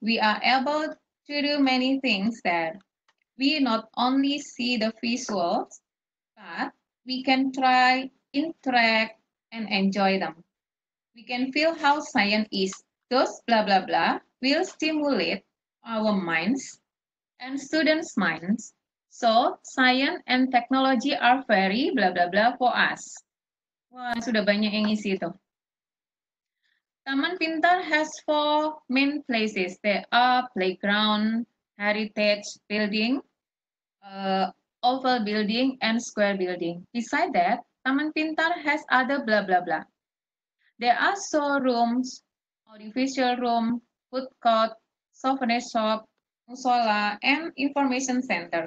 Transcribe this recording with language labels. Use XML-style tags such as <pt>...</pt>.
<en>We are able to do many things there. We not only see the visuals, but we can try, interact, and enjoy them. We can feel how science is. Those blah, blah, blah will stimulate our minds and students' minds. So science and technology are very blah, blah, blah for us.</en> <id>Wah, sudah banyak yang isi itu.</id> <en>Taman Pintar has 4 main places. They are playground, heritage building, oval building and square building. Beside that, Taman Pintar has other blah blah blah. There are showrooms, audiovisual room, food court, souvenir shop, musola, and information center.</en>